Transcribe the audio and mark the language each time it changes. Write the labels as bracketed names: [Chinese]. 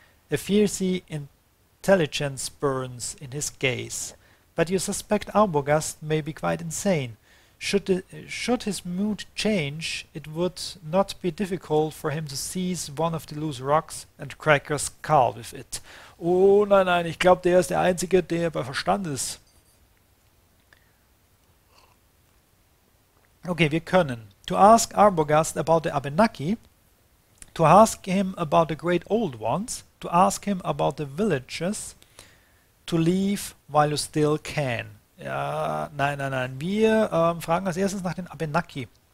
[English] A fiercy intelligence burns in his gaze. But you suspect Arbogast may be quite insane. Should his mood change, it would not be difficult for him to seize one of the loose rocks and crack your skull with it. [German] Oh nein, nein, ich glaube, der ist der Einzige, der bei Verstand ist. Okay, wir können. [English] To ask Arbogast about the Abenaki, to ask him about the great old ones, to ask him about the villages, to leave while you still can. [German] Ja, nein, nein, nein. Wir fragen als erstes nach den Abenaki.